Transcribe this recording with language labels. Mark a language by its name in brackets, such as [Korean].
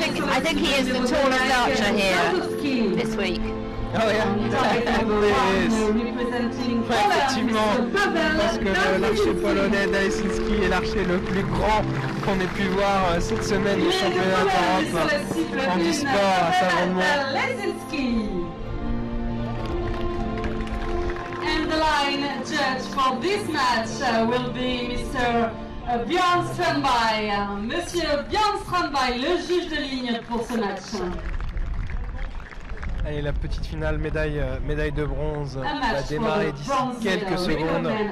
[English] I think he is the tallest archer here this week. Oh yeah, there is. [French] Effectivement, parce que l'archer polonais Dalesinski est l'archer le plus grand qu'on ait pu voir cette semaine du championnat d'Europe en e-sport à Saint-Romain. [English] And the line judge for this match will be Mr. Bjorn Strandby. [French] Monsieur Bjorn Strandby, le juge de ligne pour ce match. Allez, la petite finale, médaille de bronze, va démarrer d'ici quelques secondes.